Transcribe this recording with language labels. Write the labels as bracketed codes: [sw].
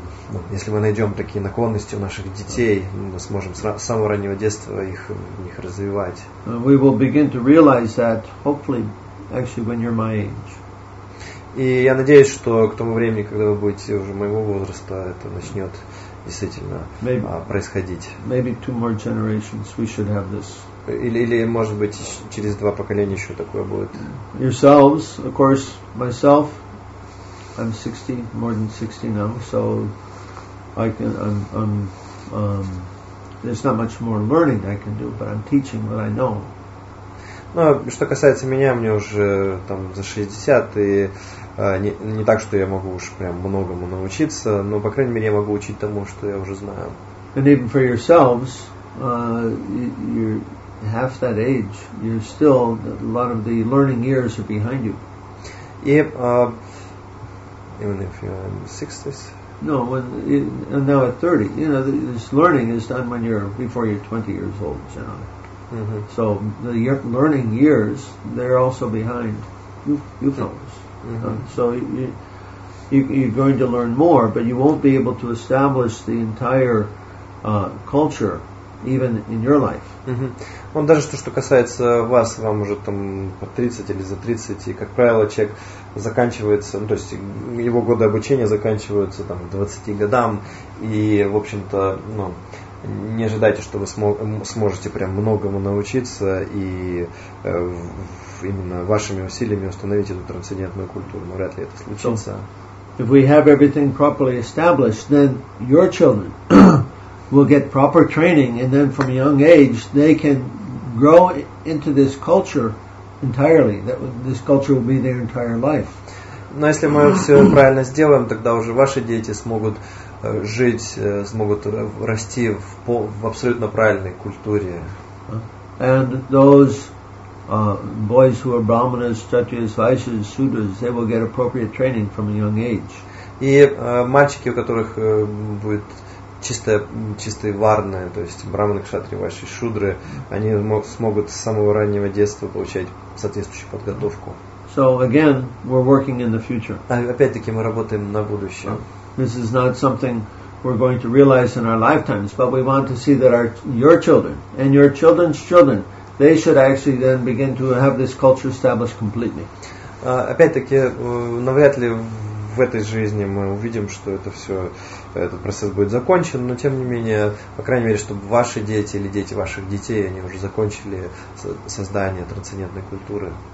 [ru] Ну, если мы найдем такие наклонности у наших детей, мы сможем с самого раннего детства их в них развивать. [en] We will begin to realize that hopefully actually when you're my age. [ru] И я надеюсь, что к тому времени, когда вы будете уже моего возраста, это начнет действительно происходить. [en] Maybe two more generations we should have this. [ru] Или может быть через два поколения еще такое будет. [en] Yourselves, of course, myself, I'm 60, more than 60 now, so I can I'm there's not much more learning I can do, but I'm teaching what I know. [ru] Ну, что касается меня, мне уже там за 60, и не так, что я могу уж прям многому научиться, но, по крайней мере, я могу учить тому, что я уже знаю. [en] And even for yourselves, you're half that age, you're still, a lot of the learning years are behind you. И, even if you're in the 60s? No, and now at 30, you know, this learning is done when you're, before you're 20 years old, generally. Mm-hmm. So the learning years, they're also behind you fellows. Mm-hmm. So you're going to learn more, but you won't be able to establish the entire culture even in your life. Mm-hmm. [ru] Он даже то, что касается вас, вам уже там по 30 или за 30, и как правило человек заканчивается, ну, то есть его годы обучения заканчиваются там 20 годам, и в общем-то, ну, не ожидайте, что вы сможете прям многому научиться и именно вашими усилиями установить эту трансцендентную культуру. Но вряд ли это случится. [en] If we have everything properly established, then your children will get proper training, and then from a young age they can grow into this culture entirely. That this culture will be their entire life. [ru] Но если мы все правильно сделаем, тогда уже ваши дети смогут жить, смогут расти в абсолютно правильной культуре. [en] And those boys who are brahmanas, kshatriyas, vaishyas, shudras, they will get appropriate training from a young age. [ru] И мальчики, у которых будет чистые варны, то есть брахманы, кшатри, ваши шудры, они смогут с самого раннего детства получать соответствующую подготовку. [en] So again, we're working in the future. [ru] Опять-таки мы работаем на будущее. [en] This is not something we're going to realize in our lifetimes, but we want to see that your children and your children's children, they should actually then begin to have this culture established completely. [ru] Опять-таки, навряд ли в этой жизни мы увидим, что это все, этот процесс будет закончен, но тем не менее, по крайней мере, чтобы ваши дети или дети ваших детей, они уже закончили создание трансцендентной культуры.